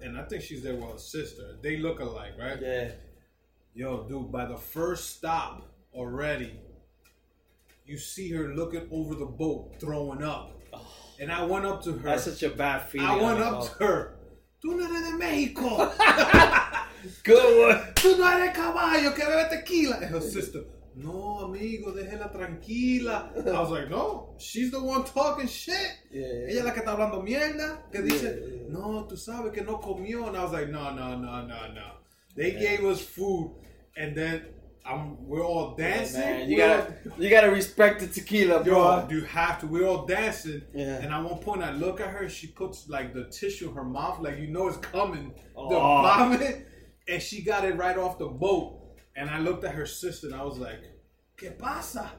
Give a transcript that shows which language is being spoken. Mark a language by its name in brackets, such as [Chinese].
[English] And I think she's there with her sister. They look alike, right? Yeah. Yo, dude, by the first stop already, you see her looking over the boat, throwing up. And I went up to her. That's such a bad feeling. I went up to her. [Spanish] Tú no eres de México. [English] Good one. [Spanish] Tú no eres caballo que bebe tequila. [English] And her sister, [Spanish] no, amigo, déjela tranquila. [English] I was like, no, she's the one talking shit. Yeah, yeah. [Spanish] Ella es la que está hablando mierda. Que dice, no, tú sabes que no comió. [English] And I was like, no. They gave us food. And then we're all dancing. Yeah, you gotta respect the tequila, bro. You have to. We're all dancing. Yeah. And at one point, I look at her. She puts like the tissue in her mouth, like you know it's coming. Oh. The vomit. And she got it right off the boat. And I looked at her sister and I was like, [Spanish] ¿qué pasa?